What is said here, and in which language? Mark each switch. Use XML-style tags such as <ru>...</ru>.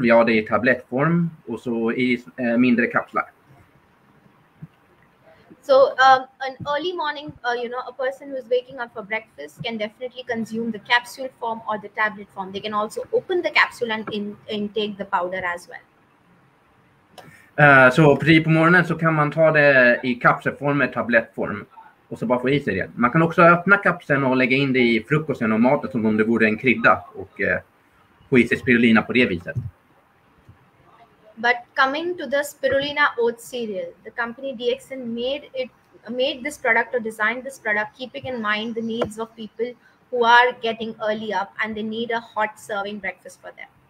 <sv>Vi har det i tablettform och så i mindre kapslar.</sv> <en>So an early morning, you know, a person who is waking up for breakfast can definitely consume the capsule form or the tablet form. They can also open the capsule and intake the powder as well.</en> <sv>Så precis på morgonen så kan man ta det i kapselform eller tablettform och så bara få i sig det. Man kan också öppna kapseln och lägga in det i frukosten och maten som om det vore en krydda och få i sig spirulina på det viset.</sv> <en>But coming to the spirulina oat cereal, the company DXN made this product or designed this product keeping in mind the needs of people who are getting early up and they need a hot serving breakfast for them.</en>